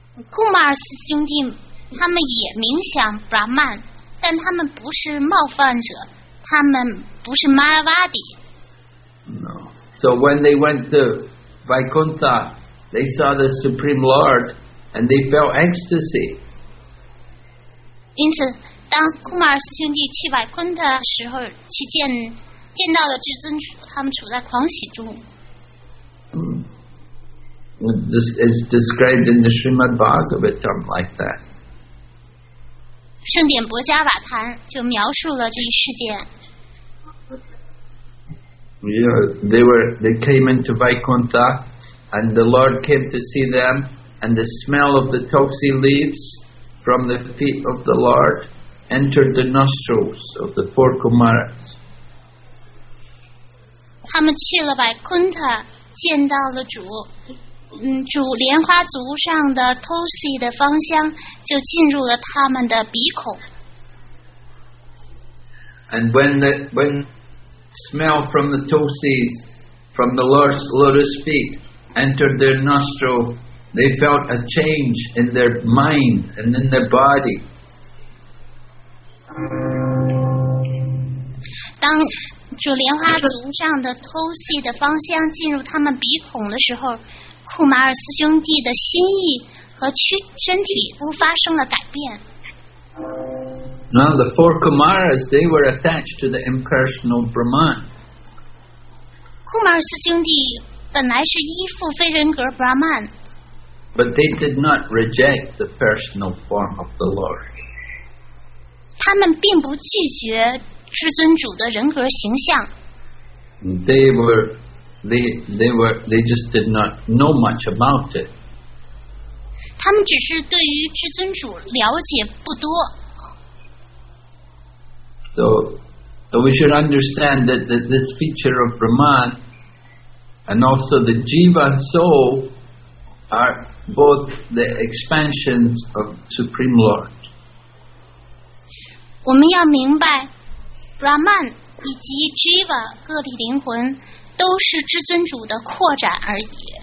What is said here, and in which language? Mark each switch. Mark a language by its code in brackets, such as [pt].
[zh] Kumars 兄弟，他们也冥想 Brahman， 但他们不是冒犯者，他们不是 Mayavadi. [en] No. So when they went to Vaikuntha, they saw the Supreme Lord, and they felt ecstasy. [zh] 因此，当库马尔斯兄弟去百昆特的时候，去见到了至尊主，他们处在狂喜中。 [en] This is described in the Srimad Bhagavatam like that. [zh] 圣典博加瓦坛就描述了这一事件。 [en] Yeah, they came into Vaikuntha, and the Lord came to see them, and the smell of the tulsi leaves. From the feet of the Lord entered the nostrils of the four Kumaras. [zh] 他们去了百昆特，见到了主。主莲花足上的 Tosi 的芳香就进入了他们的鼻孔。 [en] And when smell from the Tosi, from the Lord's lotus feet entered their nostril. They felt a change in their mind and in their body. [zh] 当主莲花足上的 Tosi 的芳香进入他们鼻孔的时候，库马尔斯兄弟的心意和身体都发生了改变。 [en] Now the four Kumaras, they were attached to the impersonal Brahman. [zh] 库马尔斯兄弟本来是依附非人格 Brahman， [en] but they did not reject the personal form of the Lord。 [zh] 他们并不拒绝至尊主的人格形象。 [en] They just did not know much about it。 [zh] 他们只是对于至尊主了解不多。 [en] So we should understand that this feature of Brahman and also the Jiva soul are both the expansions of Supreme Lord. [zh] 我们要明白 Brahman 以及 Jiva 个体灵魂都是至尊主的扩展而已。